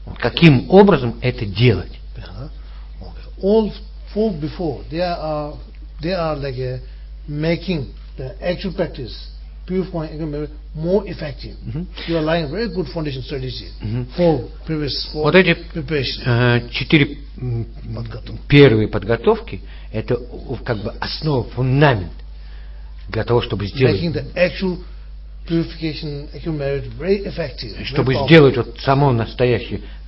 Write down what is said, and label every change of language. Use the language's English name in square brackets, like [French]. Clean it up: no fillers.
[Russian] Каким образом это делать? [English] All four before, they are like making the actual practice, purifying merit, more effective. You are laying very good foundation strategy. [Russian] Вот эти четыре первые подготовки, это как бы основа, фундамент для того, чтобы сделать. [English] Making the actual purification merit very effective. [Russian] Чтобы [English] very [Russian] сделать вот само настоящее